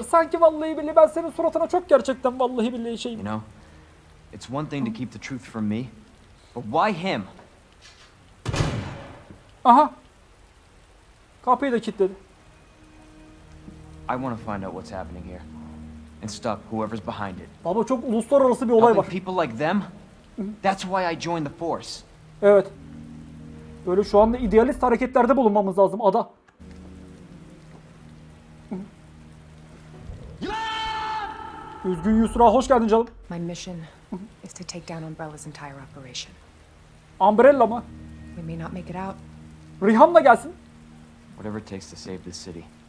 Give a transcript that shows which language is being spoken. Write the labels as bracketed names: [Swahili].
[Turkish] Sanki vallahi billahi ben senin suratına çok gerçekten vallahi billahi şeyim. [English] You know, it's one thing to keep the truth from me, but why him? [Turkish] Aha. Kapıyı da kilitledi. [English] I want to find out what's happening here. And stop whoever's behind it. [Turkish] Baba çok uluslararası bir olay var. [English] People like them. That's why I joined the force. [Turkish] Evet. Böyle şu anda idealist hareketlerde bulunmamız lazım ada. Üzgün Yusra hoş geldin canım. [English] My mission is to take down Umbrella's entire operation. [Turkish] Umbrella mı? [English] We may not make it out. [Turkish] Riham da gelsin. [English] Whatever it takes to save this city.